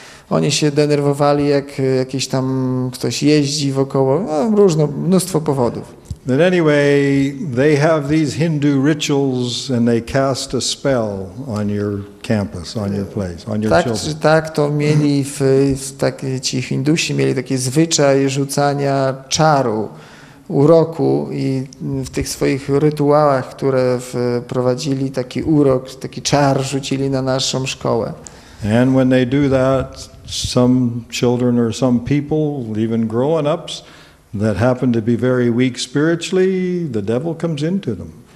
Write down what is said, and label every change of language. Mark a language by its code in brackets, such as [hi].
[pl] Oni się denerwowali, jak jakiś tam ktoś jeździ wokoło, no, różno, mnóstwo powodów. [en] But anyway, they have these Hindu rituals and they cast a spell on your campus, on your place, on your [pl] tak, [en] children. [pl] Tak, to mieli, tak ci Hindusi mieli taki zwyczaj rzucania czaru, uroku i w tych swoich rytuałach, które wprowadzili taki urok, taki czar rzucili na naszą szkołę. [en] And when they do that, some children or some people, even grown-ups, that happen to be very weak spiritually, the devil comes into them.